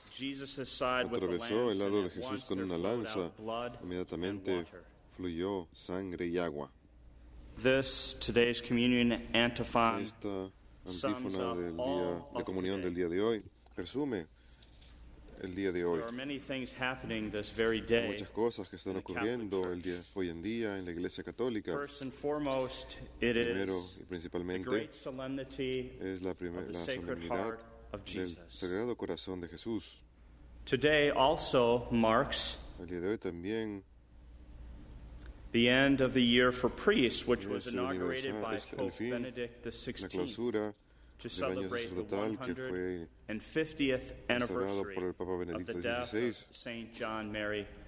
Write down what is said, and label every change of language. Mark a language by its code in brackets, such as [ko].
[en] Jesus's side [es] atravesó [en] with a lance, [es] el lado de Jesús con una lanza. Inmediatamente fluyó sangre y agua. [en] This today's communion antiphon [es] esta antífona del día de comunión del día de hoy resume el día de hoy. [en] There are many things happening this very day. [es] Hay muchas cosas que están ocurriendo el día hoy en día en la Iglesia Católica. [en] First and foremost, it is [es] primero y principalmente [en] the great solemnity [es] es la primera solemnidad del Sagrado Corazón de Jesús. [en] Today also marks [es] el día de hoy también [en] the end of the year for priests, which was inaugurated by Pope Benedict XVI. To celebrate the 150th anniversary of the death of St. John Mary